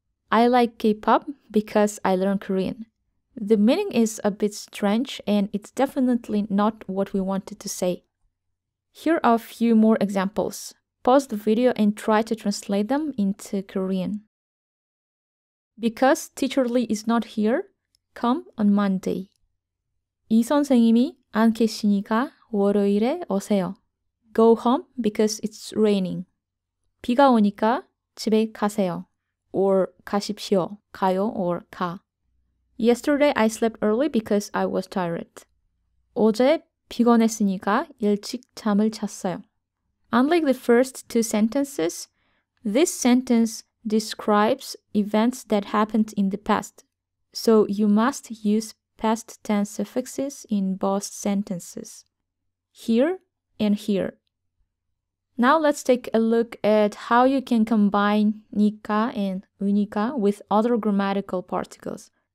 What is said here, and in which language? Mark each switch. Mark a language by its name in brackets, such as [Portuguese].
[English] I like K-pop because I learn Korean. The meaning is a bit strange and it's definitely not what we wanted to say. Here are a few more examples. Pause the video and try to translate them into Korean. Because teacher Lee is not here, come on Monday. [Korean] 이 선생님이 안 계시니까 월요일에 오세요. [English] Go home because it's raining. [Korean] 비가 오니까 집에 가세요. Or 가십시오. 가요 or 가. [English] Yesterday I slept early because I was tired. [Korean] 어제 피곤했으니까 일찍 잠을 잤어요. [English] Unlike the first 2 sentences, this sentence describes events that happened in the past. So you must use past tense suffixes in both sentences. Here and here. Now let's take a look at how you can combine 니까 and 우니까 with other grammatical particles.